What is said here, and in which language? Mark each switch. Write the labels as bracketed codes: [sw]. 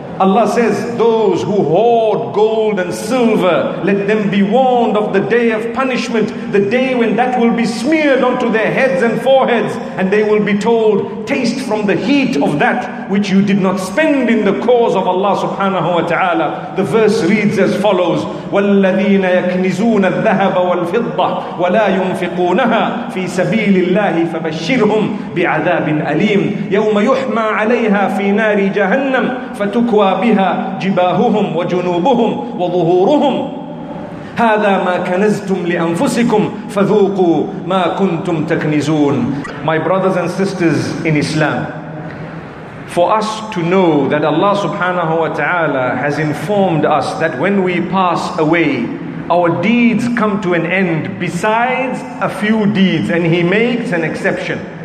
[en] Allah says, those who hoard gold and silver, let them be warned of the day of punishment, the day when that will be smeared onto their heads and foreheads, and they will be told, taste from the heat of that which you did not spend in the cause of Allah subhanahu wa ta'ala. The verse reads as follows, [ar] وَالَّذِينَ يَكْنِزُونَ الذَّهَبَ وَالْفِضَّةِ وَلَا يُنْفِقُونَهَا فِي سَبِيلِ اللَّهِ فَبَشِّرْهُمْ بِعَذَابٍ أَلِيمٍ يَوْمَ يُحْمَى عَلَيْهَا فِي نَارِ جَهَنَّمْ فَتُكْوَى بِهَا جِبَاهُهُمْ وَجُنُوبُهُمْ وَظُهُورُهُمْ هَذَا مَا كَنَزْتُمْ لِأَنفُسِكُمْ فَذُوقُوا مَا كُنْتُمْ تَكْنِزُونَ. [en] My brothers and sisters in Islam, for us to know that Allah subhanahu wa ta'ala has informed us that when we pass away, our deeds come to an end besides a few deeds, and He makes an exception.